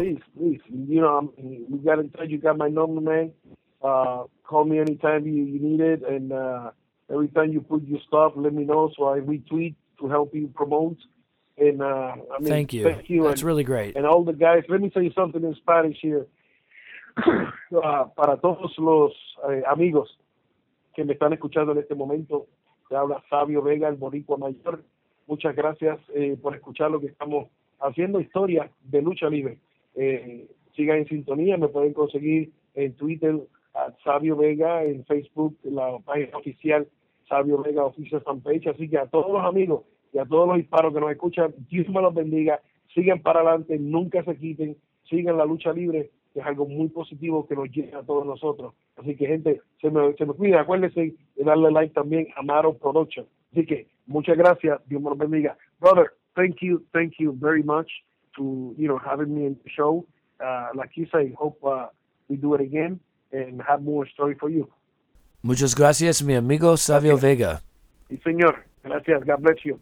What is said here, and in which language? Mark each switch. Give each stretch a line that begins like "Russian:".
English: Please. You know, you got in touch. You got my number, man. Call me anytime you need it. And every time you put your stuff, let me know so I retweet to help you promote. And thank you. That's really great. And all the guys, let me tell you something in Spanish here.
Spanish: Para todos los amigos que me están escuchando en este momento, te habla Savio Vega, el Boricua Mayor. Muchas gracias por escuchar lo que estamos haciendo, historia de lucha libre. Sigan en sintonía, me pueden conseguir en Twitter a Savio Vega, en Facebook, la página oficial Savio Vega Official Fanpage. Así que a todos los amigos y a todos los hispanos que nos escuchan, Dios me los bendiga. Sigan para adelante, nunca se quiten, sigan la lucha libre, que es algo muy positivo que nos llega a todos nosotros. Así que, gente, se me cuida. Acuérdense de darle like también a Maro Production. Así que, muchas gracias. Dios me los bendiga.
English: Brother, thank you very much to, you know, having me in the show. Like you say, hope we do it again and have more story for you.
Spanish: Muchas gracias, mi amigo Savio gracias. Vega. Y señor, gracias.
English: God bless you.